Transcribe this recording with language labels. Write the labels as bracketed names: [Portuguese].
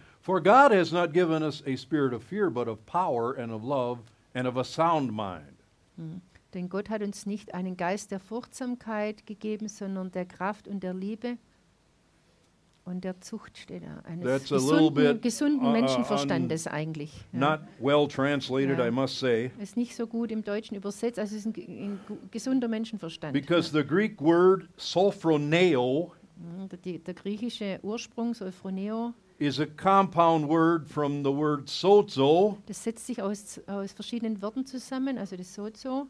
[English] For God has not given us a spirit of fear, but of power and of love and of a sound mind. [German] Denn Gott hat uns nicht einen Geist der Furchtsamkeit gegeben, sondern der Kraft und der Liebe und der Zucht, steht da. Eines [English] That's [German] gesunden Menschenverstandes eigentlich. [English] Ja. Not well translated, ja. I must say. [German] Ist nicht so gut im Deutschen übersetzt, also es ist ein gesunder Menschenverstand. [English] Because ja. The Greek word sophroneo, [German] der griechische Ursprung sophroneo, [English] is a compound word from the word sozo. [German] Das setzt sich aus verschiedenen Worten zusammen, also das sozo.